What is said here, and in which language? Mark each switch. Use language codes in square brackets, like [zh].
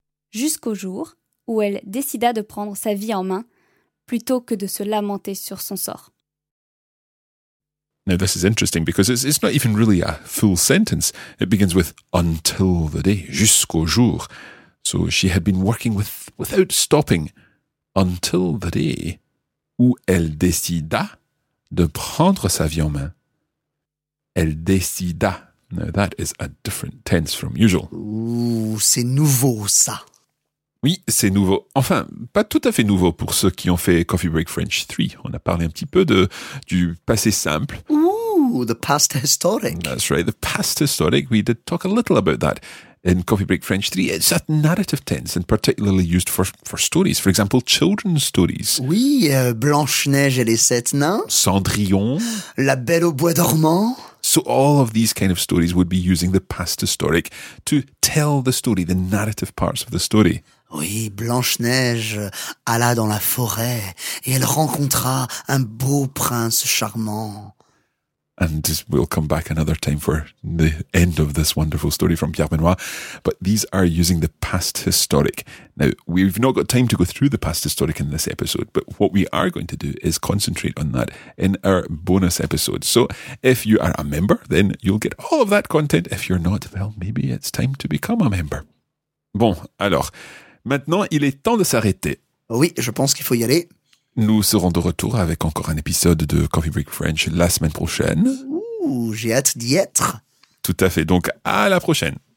[fr] Jusqu'au jour où elle décida de prendre sa vie en main plutôt que de se lamenter sur son sort. [en] Now this is interesting because it's not even really a full sentence. It begins with until the day, [fr] jusqu'au jour. [en] So she had been working without stopping until the day [fr] où elle décida de prendre sa vie en main. Elle décida. [en] Now that is a different tense from usual. [fr] Ooh, c'est nouveau ça. Oui, c'est nouveau. Enfin, pas tout à fait nouveau pour ceux qui ont fait Coffee Break French 3. On a parlé un petit peu du passé simple. [en] Ooh, the past historic. That's right, the past historic. We did talk a little about that in Coffee Break French 3. It's a narrative tense and particularly used for stories. For example, children's stories. [fr] Oui, Blanche-Neige et les Sept Nains. Cendrillon. La Belle au Bois Dormant. [en] So all of these kind of stories would be using the past historic to tell the story, the narrative parts of the story. [fr] Oui, Blanche-Neige alla dans la forêt et elle rencontra un beau prince charmant. [en] And we'll come back another time for the end of this wonderful story from Pierre Benoit. But these are using the past historic. Now, we've not got time to go through the past historic in this episode, but what we are going to do is concentrate on that in our bonus episode. So if you are a member, then you'll get all of that content. If you're not, well, maybe it's time to become a member. [fr] Bon, alors, maintenant, il est temps de s'arrêter. Oui, je pense qu'il faut y aller. Nous serons de retour avec encore un épisode de Coffee Break French la semaine prochaine. Ouh, j'ai hâte d'y être. Tout à fait, donc à la prochaine.